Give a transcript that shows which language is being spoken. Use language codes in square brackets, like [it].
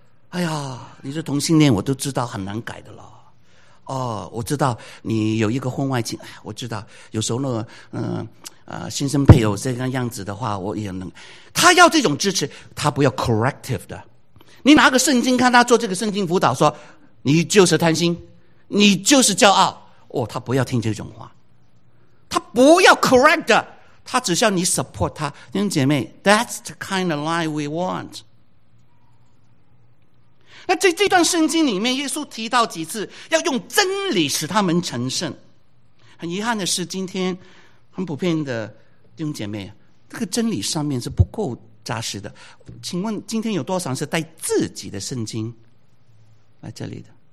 [zh] 哎呀，你是同性恋我都知道很难改的咯。哦，我知道你有一个婚外情，我知道有时候那个先生配偶这个样子的话我也能。他要这种支持，他不要 corrective 的。你拿个圣经看他做这个圣经辅导，说你就是贪心，你就是骄傲。哦，他不要听这种话。他不要 correct 的，他只需要你 support 他。弟兄姐妹， [en] That's the kind of life we want。 [zh] 那在这段圣经里面，耶稣提到几次要用真理使他们成圣。很遗憾的是，今天很普遍的弟兄姐妹，这个真理上面是不够扎实的。请问今天有多少是带自己的圣经来这里的？